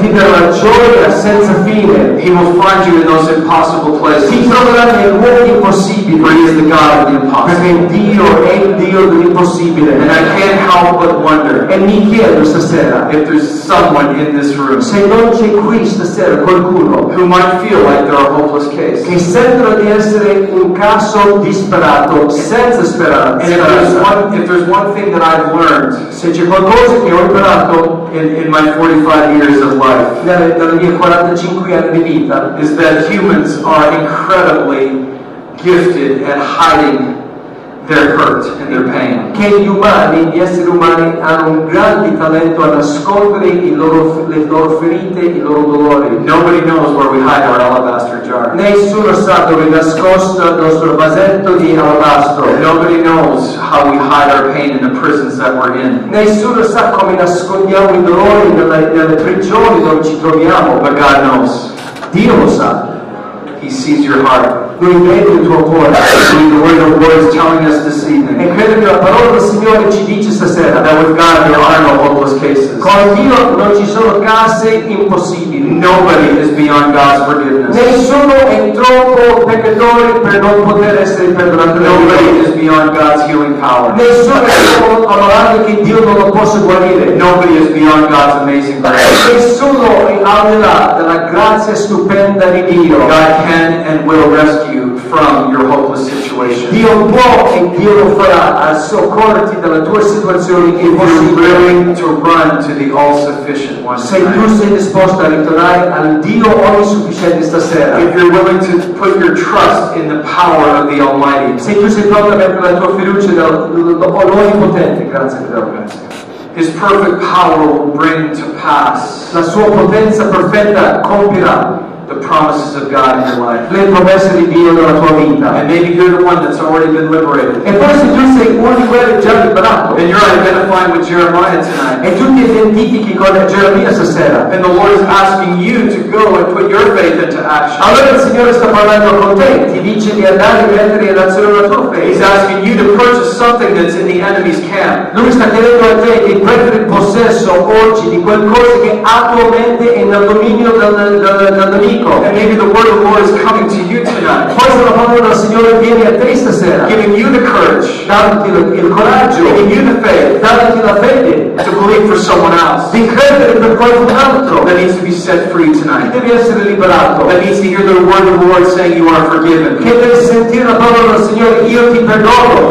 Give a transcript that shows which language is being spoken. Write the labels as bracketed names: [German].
[English] He will find you in those impossible places. For He is the God of the impossible. [Italian] Dio è Dio dell'impossibile. [English] And I can't help but wonder if there's someone in this room who might feel like they're a hopeless case. [Italian] Che sembra di essere un caso disperato, senza speranza. [English] And if there's one thing that I've learned, [Italian] se c'è qualcosa che ho imparato [English] in my 45 years of life, [Italian] nelle mie 45 anni di vita, [English] is that humans are incredibly gifted at hiding their hurt and their pain. [Italian] Che gli umani, gli esseri umani, hanno un grande talento a nascondere le loro ferite, i loro dolori. [English] Nobody knows where we hide our alabaster jar. [Italian] Nessuno sa dove è nascosto il nostro vasetto di alabastro. [English] Nobody knows how we hide our pain in the prisons that we're in. [Italian] Nessuno sa come nascondiamo i dolori nelle prigioni dove ci troviamo. [English] But God knows. [Italian] Dio lo sa. [English] He He sees your heart. [Italian] Lui vede il tuo cuore. [English] See the word of the Lord is telling us this evening. [Italian] E credo che la parola del Signore ci dice stasera. [English] That with God there are no hopeless cases. [Italian] Con Dio non ci sono casi impossibili. [English] Nobody is beyond God's forgiveness. [Italian] Nessuno è troppo peccatore per non poter essere perdonato. [English] Nobody is beyond God's healing power. [Italian] Nessuno è troppo onorato che Dio non lo possa guarire. [English] Nobody is beyond God's amazing grace. [Italian] Nessuno è al di là della grazia stupenda di Dio. [English] God can and will rescue you from your hopeless situation. [Italian] Dio può e Dio lo farà a soccorrerti dalla tua situazione impossibile. [English] If you're willing to run to the all-sufficient one. [Italian] Se tu sei disposto a ritornare al Dio all-sufficiente stasera. If you're willing to put your trust in the power of the Almighty. Se tu sei pronto a mettere la tua fiducia nell'Onnipotente. Grazie per avermi. [English] His perfect power will bring to pass. [Italian] La sua potenza perfetta compirà. [English] The promises of God in your life. [Italian] Le promesse di Dio nella tua vita. [English] And maybe you're the one that's already been liberated. [Italian] E forse tu sei uno di quelli già liberato. [English] And you're identifying with Jeremiah tonight. [Italian] E tu ti identifichi con Geremia stasera. [English] And the Lord is asking you to go and put your faith into action. [Italian] Allora il Signore sta parlando con te. Ti dice di andare a mettere in azione la tua fede. [English] He's asking you to purchase something that's in the enemy's camp. [Italian] Lui sta chiedendo a te di prendere il possesso oggi di qualcosa che attualmente è nel dominio del [English] And maybe the word of the Lord is coming to you tonight. [Italian] Forse la parola del Signore viene a te stasera. [English] Giving you the courage. [Italian] Dandoti il coraggio. [English] Giving you the faith. [Italian] Dandoti la fede. [English] To believe for someone else. [Italian] Di credere per qualcun altro. [English] That needs to be set free tonight. [Italian] Devi essere liberato. [English] That needs to hear the word of the Lord saying you are forgiven. [Italian] Che devi sentire la parola del Signore, io ti perdono.